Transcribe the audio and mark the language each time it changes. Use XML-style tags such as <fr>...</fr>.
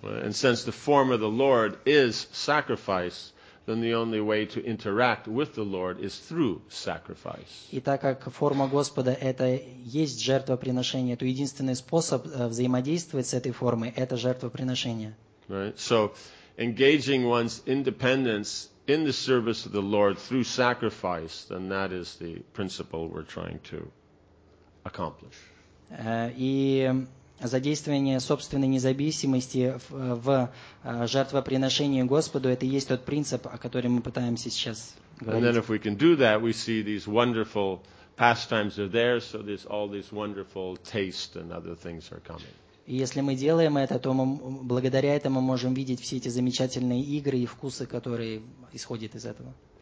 <en>And since the form of the Lord is sacrifice, then the only way to interact with the Lord is through sacrifice.</en> <ru>И так как форма Господа это есть жертвоприношение, то единственный способ взаимодействовать с этой формой это жертвоприношение.</ru> <en>Right. So engaging one's independence in the service of the Lord through sacrifice, then that is the principle we're trying to accomplish.</en> <ru>И задействование собственной независимости в жертвоприношении Господу это и есть тот принцип, о котором мы пытаемся сейчас говорить.</ru> <en>And then if we can do that, we see these wonderful pastimes are there, so there's all these wonderful taste and other things are coming.</en> <ru>И если мы делаем это, то мы благодаря этому можем видеть все эти замечательные игры и вкусы, которые исходят из этого.</ru>